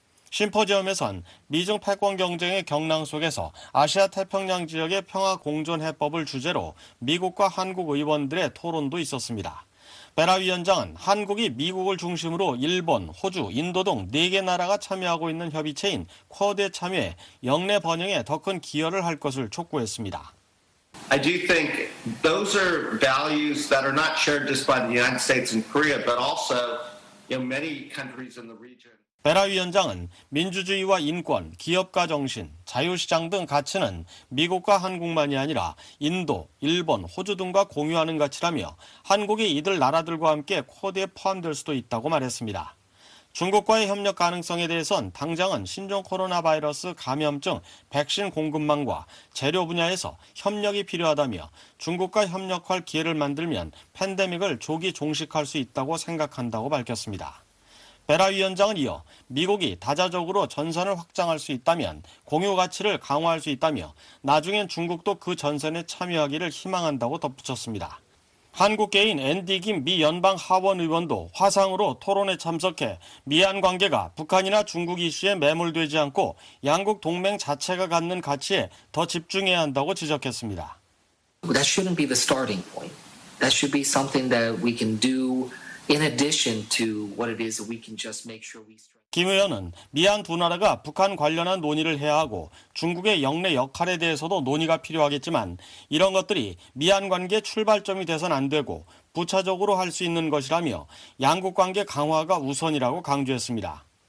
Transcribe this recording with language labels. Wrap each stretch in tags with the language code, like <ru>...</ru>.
<ko>심포지엄에선 미중 패권 경쟁의 격랑 속에서 아시아 태평양 지역의 평화 공존 해법을 주제로 미국과 한국 의원들의 토론도 있었습니다. 베라 위원장은 한국이 미국을 중심으로 일본, 호주, 인도 등 4개 나라가 참여하고 있는 협의체인 쿼드에 참여해 역내 번영에 더 큰 기여를 할 것을 촉구했습니다.</ko> <en>I do think those are values that are not shared just by the United States and Korea, but also many countries in the region.</en> <ko>베라 위원장은 민주주의와 인권, 기업가 정신, 자유시장 등 가치는 미국과 한국만이 아니라 인도, 일본, 호주 등과 공유하는 가치라며 한국이 이들 나라들과 함께 쿼드에 포함될 수도 있다고 말했습니다. 중국과의 협력 가능성에 대해선 당장은 신종 코로나 바이러스 감염증 백신 공급망과 재료 분야에서 협력이 필요하다며 중국과 협력할 기회를 만들면 팬데믹을 조기 종식할 수 있다고 생각한다고 밝혔습니다. 베라 위원장은 이어 미국이 다자적으로 전선을 확장할 수 있다면 공유 가치를 강화할 수 있다며 나중엔 중국도 그 전선에 참여하기를 희망한다고 덧붙였습니다. 한국계인 앤디 김 미 연방 하원 의원도 화상으로 토론에 참석해 미한 관계가 북한이나 중국 이슈에 매몰되지 않고 양국 동맹 자체가 갖는 가치에 더 집중해야 한다고 지적했습니다.</ko> <en>That shouldn't be the starting point. That should be something that we can do in addition to what it is we can just make sure we</en> <ko>김 의원은 미한 두 나라가 북한 관련한 논의를 해야 하고 중국의 역내 역할에 대해서도 논의가 필요하겠지만 이런 것들이 미한 관계 출발점이 돼서는 안 되고 부차적으로 할 수 있는 것이라며 양국 관계 강화가 우선이라고 강조했습니다.</ko>